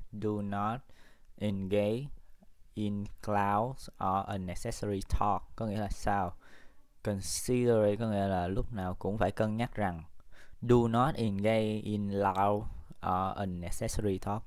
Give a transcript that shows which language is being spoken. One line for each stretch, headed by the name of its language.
English: Do not engage in clouds or unnecessary talk.
Vietnamese: Có nghĩa là sao? Considerate có nghĩa là lúc nào cũng phải cân nhắc rằng.
English: Do not engage in loud or unnecessary talk.